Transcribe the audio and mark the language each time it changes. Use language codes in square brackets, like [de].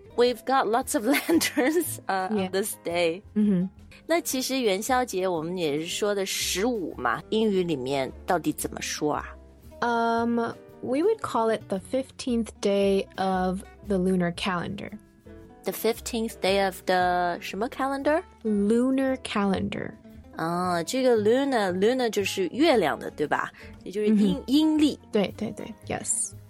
[en] We've got lots of lanterns、on this day. 嗯哼。 [zh] 那其实元宵节我们也是说的十五嘛，英语里面到底怎么说啊？ [en] We would call it the 15th day of the lunar calendar. The 15th day of the [zh] 什么 [en] calendar? Lunar calendar. [zh] 哦，这个 luna 就是月亮的，对吧？也就是阴、mm-hmm. 阴历。对对对 ， [en] yes.